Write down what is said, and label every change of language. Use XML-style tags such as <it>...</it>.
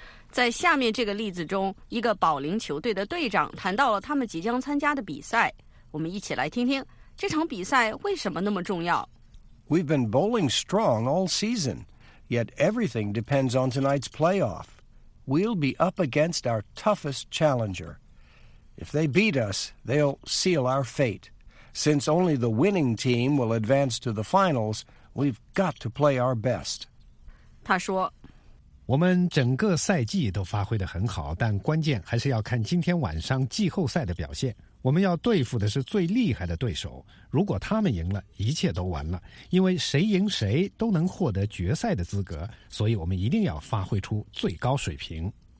<zh>在下面这个例子中，一个保龄球队的队长谈到了他们即将参加的比赛。我们一起来听听这场比赛为什么那么重要。</zh> <en>We've been bowling strong all season, yet everything depends on tonight's playoff.We'll be up against our toughest challenger. If they beat us, they'll seal our fate. Since only the winning team will advance to the finals, we've got to play our best.</en> <zh>他说，我们整个赛季都发挥得很好，但关键还是要看今天晚上季后赛的表现。我们要对付的是最厉害的对手，如果他们赢了，一切都完了，因为谁赢谁都能获得决赛的资格，所以我们一定要发挥出最高水平。</zh>